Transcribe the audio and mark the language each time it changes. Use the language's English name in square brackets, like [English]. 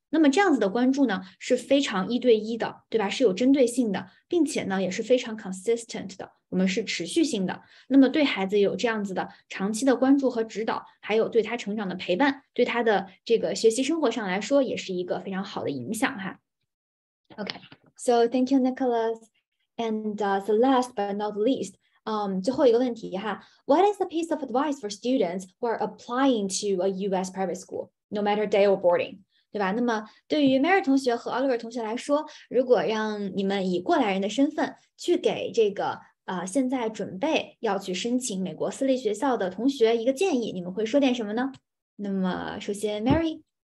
[Chinese] 那么这样子的关注呢，是非常一对一的，对吧？是有针对性的，并且呢，也是非常 consistent 的，我们是持续性的。那么对孩子有这样子的长期的关注和指导，还有对他成长的陪伴，对他的这个学习生活上来说，也是一个非常好的影响哈。 [English] Okay, so thank you, Nicholas. And so last but not least, [Chinese] 最后一个问题哈 [English] ，What is a piece of advice for students who are applying to a U.S. private school, no matter day or boarding? [Chinese] 对吧？那么对于 Mary 同学和 Oliver 同学来说，如果让你们以过来人的身份去给这个现在准备要去申请美国私立学校的同学一个建议，你们会说点什么呢？那么首先 Mary，